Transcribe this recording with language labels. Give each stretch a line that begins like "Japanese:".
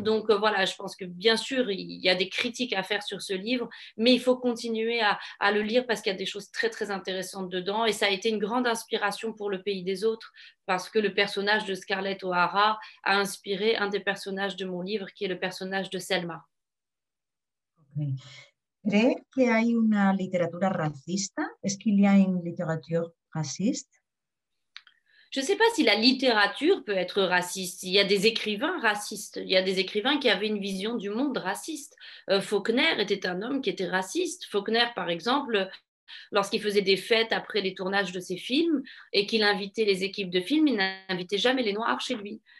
French: Donc voilà, je pense que bien sûr, il y a des critiques à faire sur ce livre, mais il faut continuer à le lire parce qu'il y a des choses très, très intéressantes dedans. Et ça a été une grande inspiration pour Le Pays des Autres, parce que le personnage de Scarlett O'Hara a inspiré un des personnages de mon livre, qui est le personnage de Selma.
Spanish: ¿Cree que hay una literatura racista?
French: ¿Es qu'il y a une littérature raciste? Je ne sais pas si la littérature peut être raciste. Il y a des écrivains racistes. Il y a des écrivains qui avaient une vision du monde raciste. Faulkner était un homme qui était raciste. Faulkner, par exemple, lorsqu'il faisait des fêtes après les tournages de ses films et qu'il invitait les équipes de films, il n'invitait jamais les Noirs chez lui.